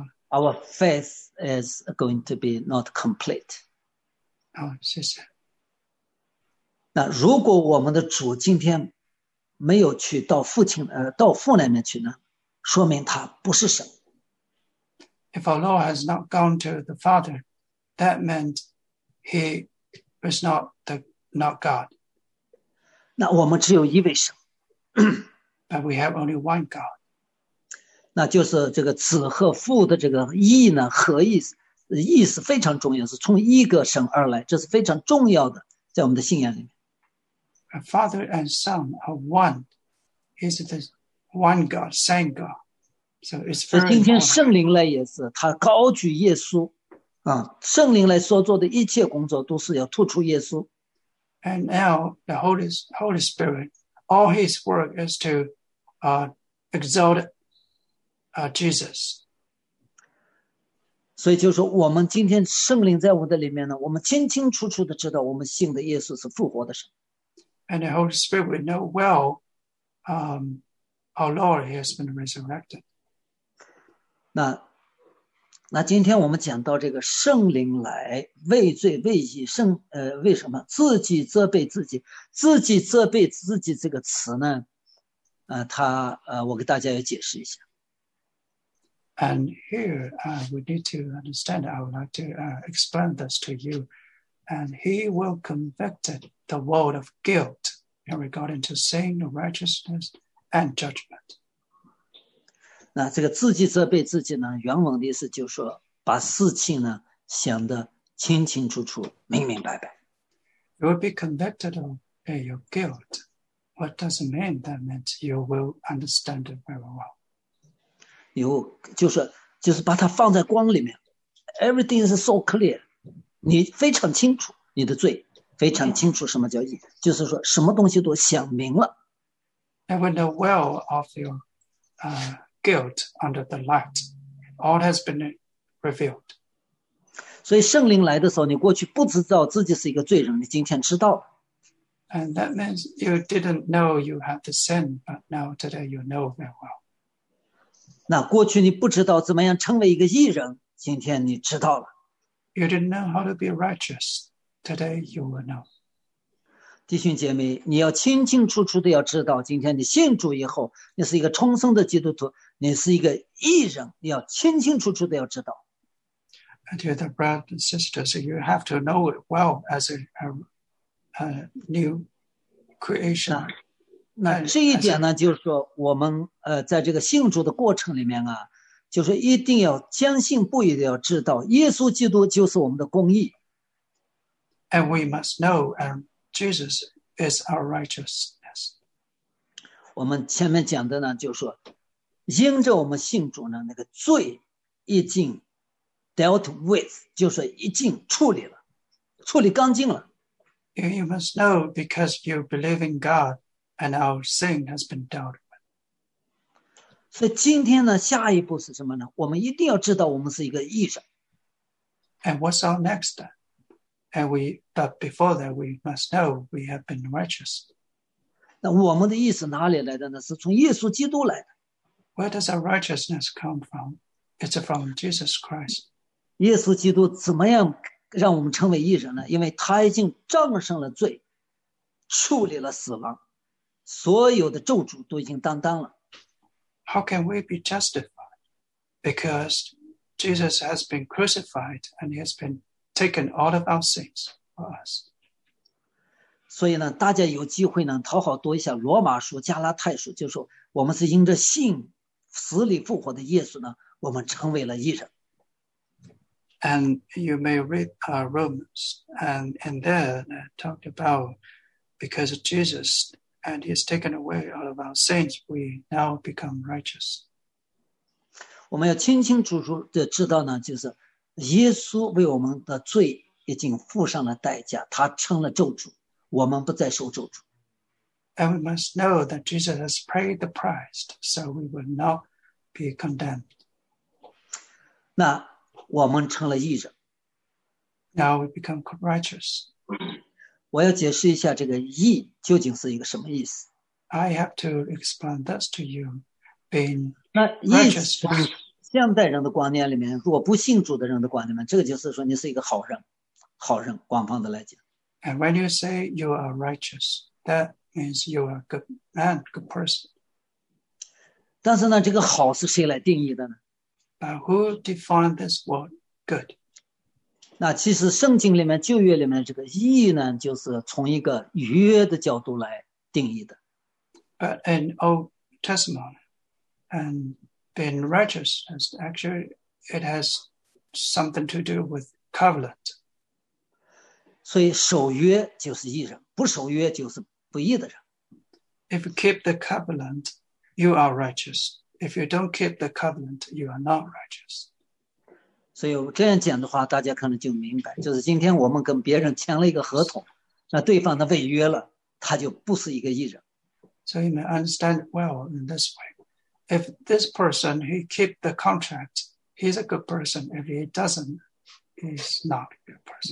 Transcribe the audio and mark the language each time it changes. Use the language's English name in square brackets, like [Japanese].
[English] our faith is going to be not complete. [Chinese] 好，谢谢。那如果我们的主今天没有去到父亲到父那边去呢？说明他不是神。 [English] If our Lord has not gone to the Father, that meant he was not God. [Chinese] 那我们只有一位神。 [English] But we have only one God. [Chinese] 那就是这个子和父的这个义呢，合义，义是非常重要，是从一个神而来，这是非常重要的，在我们的信仰里面。 [English] A Father and Son are one. Is this? One God, same God. So it's very important. [Chinese] 今天圣灵来也是，他高举耶稣，啊，圣灵来所做的一切工作都是要突出耶稣。 [English] And now the Holy Spirit, all his work is to, exalt, Jesus. [Chinese] 所以就是我们今天圣灵在我的里面呢，我们清清楚楚的知道我们信的耶稣是复活的神。 [English] And the Holy Spirit will know well, Our Lord has been resurrected. [Chinese] 那今天我们讲到这个圣灵来为罪为义圣为什么自己责备自己，自己责备自己这个词呢？我给大家也解释一下。 [English] And here we need to understand. I would like to explain this to you. And He will convict the world of guilt in regard to sin, righteousness. And judgment. [Chinese] 那这个自己责备自己呢？原文的意思就是说，把事情呢想得清清楚楚、明明白白。 [English] You will be convicted of your guilt. What does it mean? That means you will understand it very well. [Chinese] 有就是把它放在光里面。 [English] Everything is so clear. [Chinese] 你非常清楚你的罪，非常清楚什么叫义，就是说什么东西都想明了。 [English] And when the well of your guilt under the light, all has been revealed. [Chinese] 所以圣灵来的时候，你过去不知道自己是一个罪人，你今天知道了。 [English] And that means you didn't know you had the sin, but now today you know very well. [Chinese] 那过去你不知道怎么样成为一个义人，今天你知道了。 [English] You didn't know how to be righteous. Today you will know. [Chinese] 弟兄姐妹，你要清清楚楚的要知道，今天你信主以后，你是一个重生的基督徒，你是一个义人，你要清清楚楚的要知道。 [English] And to the brothers and sisters, you have to know it well as a new creation. [Chinese] 那这一点呢，就是说我们在这个信主的过程里面啊，就是一定要坚信不疑的要知道，耶稣基督就是我们的公义。 [English] And we must know and. Jesus is our righteousness. [Chinese] 我们前面讲的呢，就是说，因着我们信主呢，那个罪已经 [English] dealt with， [Chinese] 就是已经处理了，处理干净了。 [English] You must know because you believe in God, and our sin has been dealt with. [Chinese] 所以今天呢，下一步是什么呢？我们一定要知道我们是一个义人。 [English] And what's our next step? And we, but before that, we must know we have been righteous. [Chinese] 那我们的义是哪里来的呢？是从耶稣基督来的。 [English] Where does our righteousness come from? It's from Jesus Christ. [Chinese] 耶稣基督怎么样让我们成为义人呢？因为他已经战胜了罪，处理了死亡，所有的咒诅都已经担当了。 [English] How can we be justified? Because Jesus has been crucified and he has beentaken all of our sins for us. [Chinese] 所以呢，大家有机会呢，讨好读一下《罗马书》《加拉太书》，就是说我们是因着信死里复活的耶稣呢，我们成为了义人。 [English] And you may read Romans, and there talked about because of Jesus and He's taken away all of our sins, we now become righteous. [Chinese] 我们要清清楚楚的知道呢，就是。耶稣为我们的罪已经付上了代价，他成了咒诅，我们不再受咒诅。 [English] And we must know that Jesus has paid the price, so we will not be condemned. [Chinese] 那我们成了义人。 [English] Now we become righteous. [Chinese] 我要解释一下这个义究竟是一个什么意思。 [English] I have to explain this to you, being [Chinese] 那意思是现代人的观念里面，若不信主的人的观念里面，这个就是说你是一个好人，好人，广泛的来讲。 [English] And when you say you are righteous, that means you are a good man, good person. [Chinese] 但是呢，这个好是谁来定义的呢？ [English] But who defined this word good? [Chinese] 那其实圣经里面，旧约里面这个义呢，就是从一个约的角度来定义的。 [English] But in Old Testament, and being righteous, has actually, it has something to do with covenant. [Chinese] 所以守约就是义人，不守约就是不义的人。 [English] If you keep the covenant, you are righteous. If you don't keep the covenant, you are not righteous. [Chinese] 所以这样讲的话，大家可能就明白，就是今天我们跟别人签了一个合同，那对方他违约了，他就不是一个义人。 [English] So you may understand well in this way. If this person, he keep the contract, he's a good person. If he doesn't, he's not a good person.